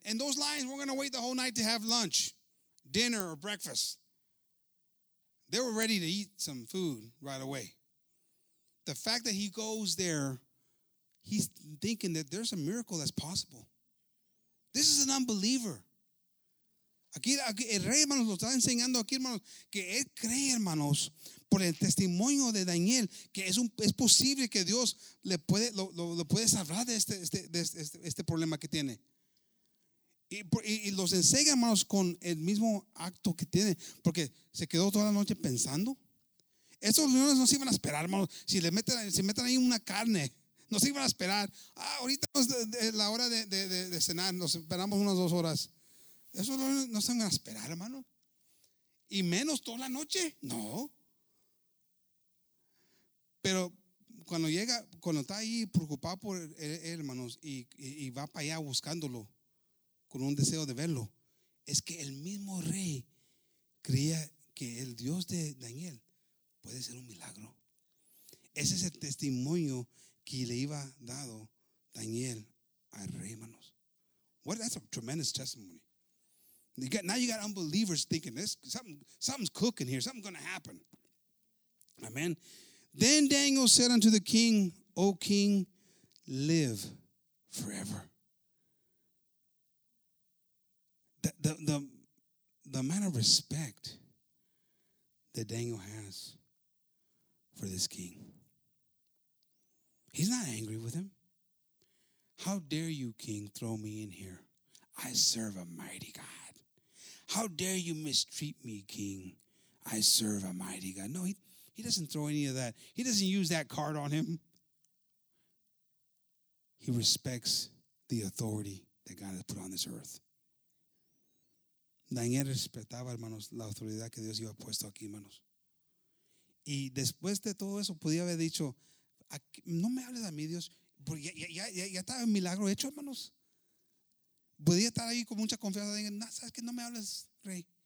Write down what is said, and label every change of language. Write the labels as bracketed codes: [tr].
[en] And those lions weren't going to wait the whole night to have lunch, dinner, or breakfast. They were ready to eat some food right away. The fact that he goes there, he's thinking that there's a miracle that's possible. This is an unbeliever. [es] Aquí el rey, hermanos, lo está enseñando aquí, hermanos, que él cree, hermanos, por el testimonio de Daniel, que es posible que Dios le puede, lo puede salvar de este problema que tiene. Y los enseña, hermanos, con el mismo acto que tiene, porque se quedó toda la noche pensando. Esos leones no se iban a esperar, hermanos. Si meten ahí una carne, no se iban a esperar. Ah, ahorita es la hora de cenar, nos esperamos unas dos horas. Esos leones no se iban a esperar, hermano. Y menos toda la noche, no. Pero cuando está ahí preocupado por él, hermanos, y va para allá buscándolo con un deseo de verlo, es que el mismo rey creía que el Dios de Daniel puede ser un milagro. Ese es el testimonio que le iba dado Daniel al rey, hermanos. [en] Well, that's a tremendous testimony. Now you got unbelievers thinking this, something's cooking here, something's going to happen. Amen. Then Daniel said unto the king, O king, live forever. The amount of respect that Daniel has for this king. He's not angry with him. How dare you, king, throw me in here? I serve a mighty God. How dare you mistreat me, king? I serve a mighty God. No, he doesn't throw any of that. He doesn't use that card on him. He respects the authority that God has put on this earth. [es] Daniel respetaba, hermanos, la autoridad que Dios iba puesto aquí, hermanos. Y después de todo eso, podía haber dicho, no me hables a mí, Dios, porque ya estaba el milagro hecho, hermanos. Podía estar ahí con mucha confianza, sabes que no me hables, rey.